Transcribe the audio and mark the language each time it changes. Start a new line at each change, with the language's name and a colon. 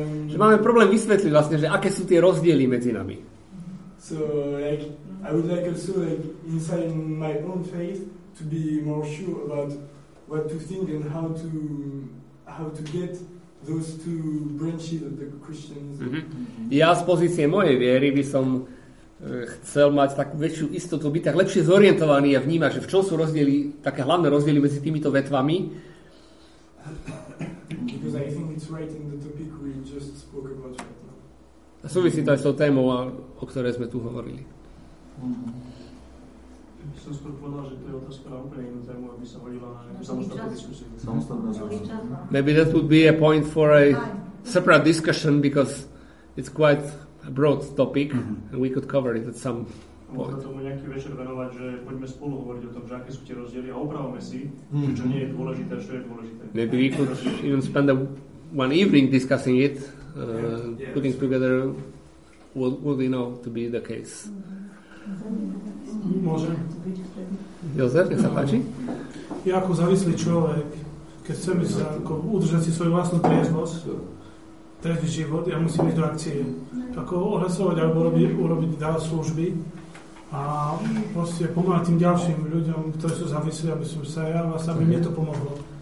Slovak: Že máme problém vysvetliť vlastne, že aké sú tie rozdiely medzi nami.
English: So like I would like also like inside my own faith to be more sure about what to think and how to get those two branches of the Christianism. Mm-hmm.
Slovak: Ja z pozície mojej viery by som chcel mať takú väčšiu istotu, byť tak lepšie zorientovaný a vnímať, že v čom sú rozdiely, také hlavné rozdiely medzi týmito vetvami.
English: Because I think it's right in the topic we just spoke about right now.
Slovak: A súvisí to aj s tou témou, o ktorej sme tu hovorili. Mm-hmm. Som skôr povedal, že to je otázka na úplne inú tému, aby sa hodila na nejakú samostatnú diskusiu. Samostatná diskusia.
English: Maybe that would be a point for a separate discussion, because it's quite a broad topic, mm-hmm. and we could cover it at some point.
Slovak: Môžeme tomu nejaký večer venovať, že poďme spolu hovoriť o tom, že aké sú tie rozdiely a opravme si, čo nie je dôležité, čo je dôležité.
English: Maybe we could even spend one evening discussing it, yeah, putting together what we know to be the case.
Slovak: Môže. Jozef, nech sa páči. Ja ako závislý človek, keď chcem udržať si svoju vlastnú triezvosť, trezvý život, ja musím ísť do akcie. Ako ohlasovať alebo urobiť dál služby a proste pomáhať tým ďalším ľuďom, ktorí sú závislí, aby som sa ja vlastne, aby mne to pomohlo.